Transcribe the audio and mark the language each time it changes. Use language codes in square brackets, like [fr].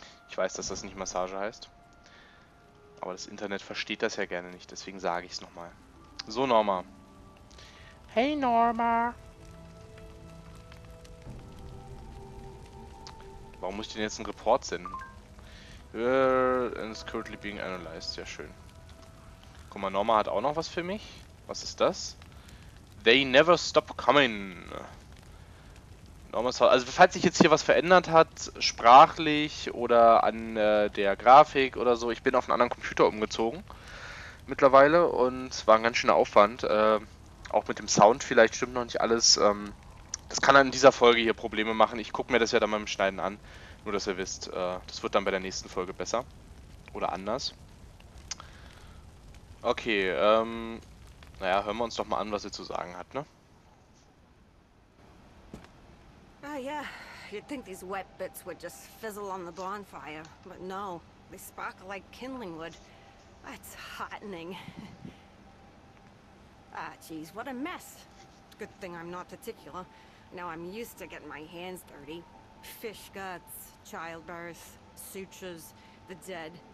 [de] Ich weiß, dass das nicht Massage heißt. Aber das Internet versteht das ja gerne nicht, deswegen sage ich es nochmal. So, Norma. Hey, Norma. Warum muss ich denn jetzt einen Report senden? [en] And it's currently being analyzed. [de] Sehr schön. Guck mal, Norma hat auch noch was für mich. Was ist das? [en] They never stop coming. [de] Norma, also falls sich jetzt hier was verändert hat, sprachlich oder an der Grafik oder so, ich bin auf einen anderen Computer umgezogen mittlerweile und es war ein ganz schöner Aufwand. Auch mit dem Sound vielleicht stimmt noch nicht alles. Das kann in dieser Folge hier Probleme machen. Ich gucke mir das ja dann beim Schneiden an. Nur, dass ihr wisst, das wird dann bei der nächsten Folge besser. Oder anders. Okay, naja, hören wir uns doch mal an, was sie zu sagen hat, ne? Ah, ja. [en] You'd think these wet bits would just fizzle on the bonfire. But no, they sparkle like kindling wood. That's heartening. Ah, jeez, what a mess. Good thing I'm not particular. Now I'm used to getting my hands dirty. Fish guts, childbirth, sutures, the dead.